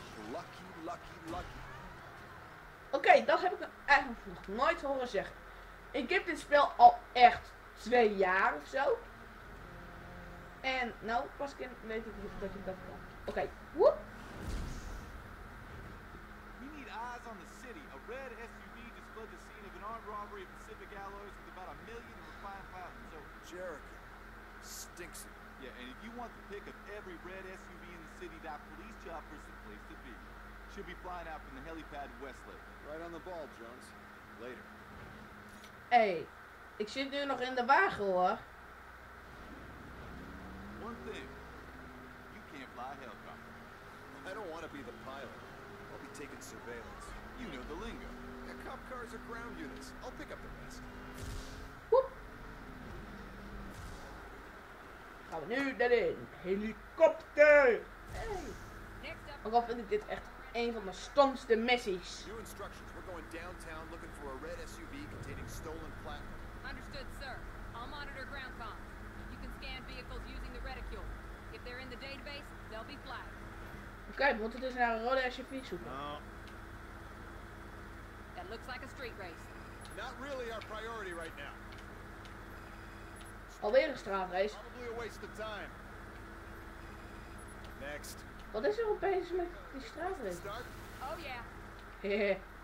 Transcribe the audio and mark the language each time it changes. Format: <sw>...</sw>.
<en>Lucky, lucky, lucky.</en> <nl>Oké, dat heb ik eigenlijk nog nooit horen zeggen. Ik heb dit spel al echt 2 jaar of zo. En nou, pas kind weet ik niet dat ik dat kan. Oké, woep.</nl> <en>We need eyes on the city. A red SUV just fled the scene of an armed robbery of Pacific Alloys with about a million of refined powder. So Jericho stinks it. Yeah, and if you want the pick of every red SUV in the city, that police chopper is the place to be. Should be flying out from the helipad in Westlake. Right on the ball, Jones. Later.</en> <nl>Hey, ik zit nu nog in de wagen, hoor.</nl> <en>One thing. You can't fly a helicopter. I don't want to be the pilot. I'll be taking surveillance. You know the lingo. Yeah, cop cars are ground units. I'll pick up the rest. Woep.</en> <nl>Gaan we nu erin. Helikopter! Hey. Ook al vind ik dit echt een van de stomste missies.</nl> <en>New instructions. Going downtown looking for a red SUV containing stolen platinum. Understood, sir. I'll monitor ground comms. You can scan vehicles using the reticule. If they're in the database, they'll be flagged.</en> <nl>Okay, we moeten dus naar een rode SUV zoeken.</nl> <en>No. That looks like a street race. Not really our priority right now.</en> <nl>Alweer een straatrace.</nl> <en>Probably a waste of time. Next.</en> <nl>Wat is er opeens met die straatrace? Start?</nl> <en>Oh yeah.</en>